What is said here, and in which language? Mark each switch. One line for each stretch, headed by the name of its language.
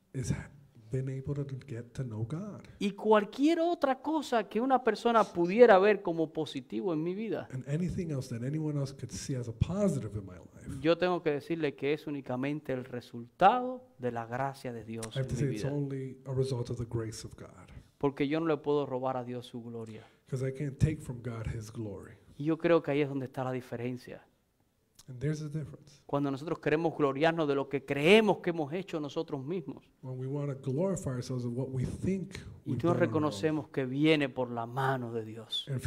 English: Is been able to get to know God.
Spanish: Y cualquier otra cosa que una persona pudiera ver como positivo en mi vida.
English: And anything else that anyone else could see as a positive in my life.
Spanish: Yo tengo que decirle que es únicamente el resultado de la gracia de Dios en mi vida.
English: It's only a result of the grace of God.
Spanish: Porque yo no le puedo robar a Dios su gloria.
English: Because I can't take from God his glory.
Spanish: Y yo creo que ahí es donde está la diferencia.
English: And there's a difference.
Spanish: Cuando nosotros queremos gloriarnos de lo que creemos que hemos hecho nosotros mismos.
English: When we want to glorify ourselves of what we think
Spanish: y no reconocemos que viene por la mano de Dios.